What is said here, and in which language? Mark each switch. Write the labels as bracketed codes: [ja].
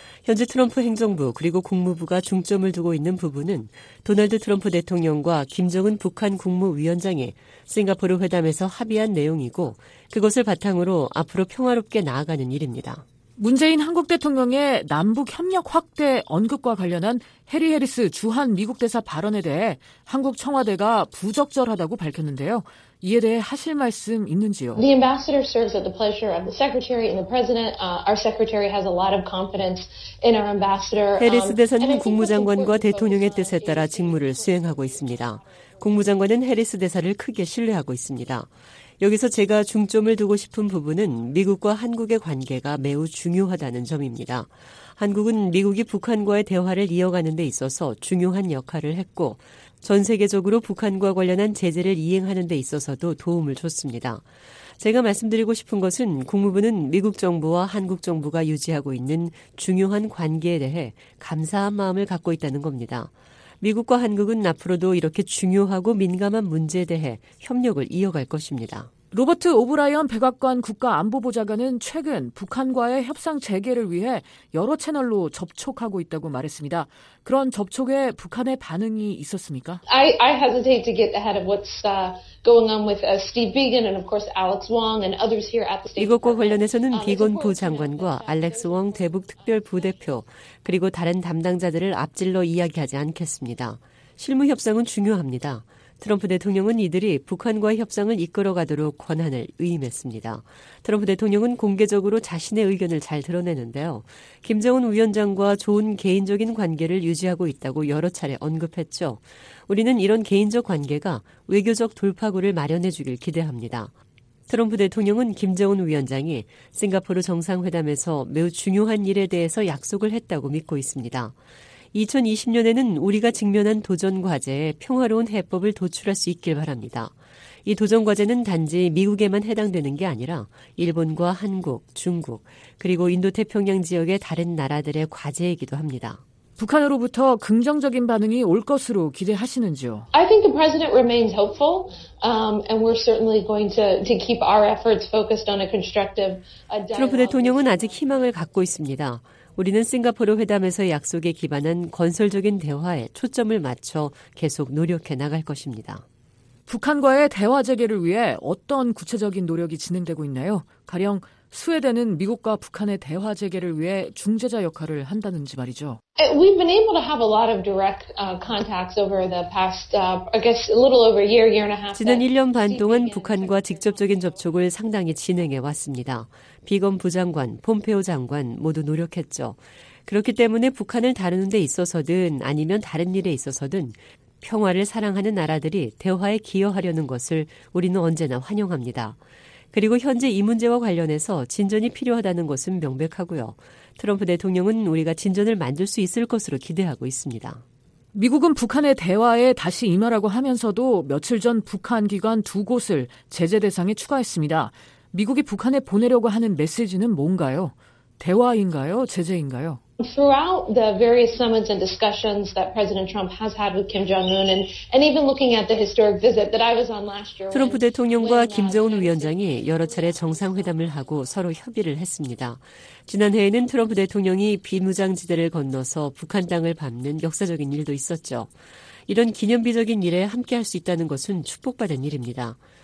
[ko] 현재 트럼프 행정부 그리고 국무부가 중점을 두고 있는 부분은 도널드 트럼프 대통령과 김정은 북한 국무위원장이 싱가포르 회담에서 합의한 내용이고 그것을 바탕으로 앞으로 평화롭게 나아가는 일입니다. 문재인 한국 대통령의 남북협력 확대 언급과 관련한 해리 해리스 주한 미국 대사 발언에 대해 한국 청와대가 부적절하다고 밝혔는데요. 이에 대해 하실 말씀 있는지요? [en] The ambassador serves at the pleasure of the secretary and the president. Our secretary has a lot of confidence in our ambassador. [ko] 해리스 대사는 국무장관과 대통령의 뜻에 따라 직무를 수행하고 있습니다. 국무장관은 해리스 대사를 크게 신뢰하고 있습니다. 여기서 제가 중점을 두고 싶은 부분은 미국과 한국의 관계가 매우 중요하다는 점입니다. 한국은 미국이 북한과의 대화를 이어가는 데 있어서 중요한 역할을 했고 전 세계적으로 북한과 관련한 제재를 이행하는 데 있어서도 도움을 줬습니다. 제가 말씀드리고 싶은 것은 국무부는 미국 정부와 한국 정부가 유지하고 있는 중요한 관계에 대해 감사한 마음을 갖고 있다는 겁니다. 미국과 한국은 앞으로도 이렇게 중요하고 민감한 문제에 대해 협력을 이어갈 것입니다. 로버트 오브라이언 백악관 국가안보보좌관은 최근 북한과의 협상 재개를 위해 여러 채널로 접촉하고 있다고 말했습니다. 그런 접촉에 북한의 반응이 있었습니까? [en] I hesitate to get ahead of what's going on with Steve Biegun and of course Alex Wong and others here at the State. [ko] 이것과 관련해서는 비건 부장관과 알렉스 웡 대북 특별 부대표 그리고 다른 담당자들을 앞질러 이야기하지 않겠습니다. 실무 협상은 중요합니다. 트럼프 대통령은 이들이 북한과 협상을 이끌어가도록 권한을 위임했습니다. 트럼프 대통령은 공개적으로 자신의 의견을 잘 드러내는데요. 김정은 위원장과 좋은 개인적인 관계를 유지하고 있다고 여러 차례 언급했죠. 우리는 이런 개인적 관계가 외교적 돌파구를 마련해 주길 기대합니다. 트럼프 대통령은 김정은 위원장이 싱가포르 정상회담에서 매우 중요한 일에 대해서 약속을 했다고 믿고 있습니다. 2020년에는 우리가 직면한 도전 과제에 평화로운 해법을 도출할 수 있길 바랍니다. 이 도전 과제는 단지 미국에만 해당되는 게 아니라 일본과 한국, 중국, 그리고 인도태평양 지역의 다른 나라들의 과제이기도 합니다. 북한으로부터 긍정적인 반응이 올 것으로 기대하시는지요? [en] I think the president remains hopeful, and we're certainly going to keep our efforts focused on a constructive dialogue. [ko] 트럼프 대통령은 아직 희망을 갖고 있습니다. 우리는 싱가포르 회담에서의 약속에 기반한 건설적인 대화에 초점을 맞춰 계속 노력해 나갈 것입니다. 북한과의 대화 재개를 위해 어떤 구체적인 노력이 진행되고 있나요? 가령 스웨덴은 미국과 북한의 대화 재개를 위해 중재자 역할을 한다는지 말이죠. [en] We've been able to have a lot of direct contacts over the past, I guess, a little over a year, year and a half. [ko] 지난 1년 반 동안 북한과 직접적인 접촉을 상당히 진행해 왔습니다. 비건 부장관, 폼페오 장관 모두 노력했죠. 그렇기 때문에 북한을 다루는 데 있어서든 아니면 다른 일에 있어서든 평화를 사랑하는 나라들이 대화에 기여하려는 것을 우리는 언제나 환영합니다. 그리고 현재 이 문제와 관련해서 진전이 필요하다는 것은 명백하고요. 트럼프 대통령은 우리가 진전을 만들 수 있을 것으로 기대하고 있습니다. 미국은 북한의 대화에 다시 임하라고 하면서도 며칠 전 북한 기관 두 곳을 제재 대상에 추가했습니다. 미국이 북한에 보내려고 하는 메시지는 뭔가요? 대화인가요? 제재인가요? [en] Throughout the various summits and discussions that President Trump has had with Kim Jong-un and even looking at the historic visit that I was on last year. [ko] 트럼프 대통령과 김정은 위원장이 여러 차례 정상회담을 하고 서로 협의를 했습니다. 지난해에는 트럼프 대통령이 비무장지대를 건너서 북한 땅을 밟는 역사적인 일도 있었죠. 이런 기념비적인 일에 함께할 수 있다는 것은 축복받은 일입니다.